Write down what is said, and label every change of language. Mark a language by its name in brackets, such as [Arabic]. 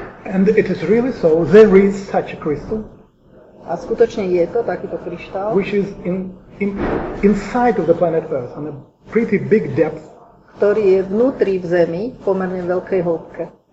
[English] And it is really so, there is such a crystal. [Slovak] A skutočne je to takýto kryštál. [English] Which is in inside of the planet Earth on a pretty big depth. [Slovak] Ktorý je vnútri v Zemi v pomerne veľkej hĺbke.